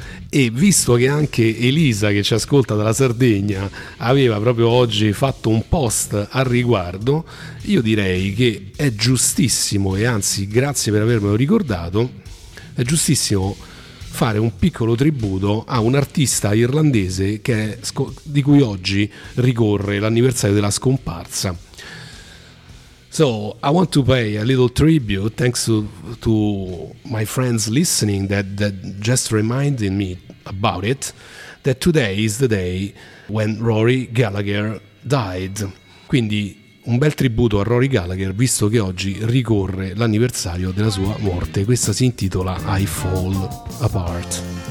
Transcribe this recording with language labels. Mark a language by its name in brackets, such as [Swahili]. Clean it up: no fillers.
[Italian] E visto che anche Elisa, che ci ascolta dalla Sardegna, aveva proprio oggi fatto un post al riguardo, io direi che è giustissimo, e anzi grazie per avermelo ricordato, è giustissimo fare un piccolo tributo a un artista irlandese che è, di cui oggi ricorre l'anniversario della scomparsa. [English] So I want to pay a little tribute, thanks to my friends listening that just reminded me about it, that today is the day when Rory Gallagher died. [Italian] Quindi un bel tributo a Rory Gallagher, visto che oggi ricorre l'anniversario della sua morte. Questa si intitola I Fall Apart.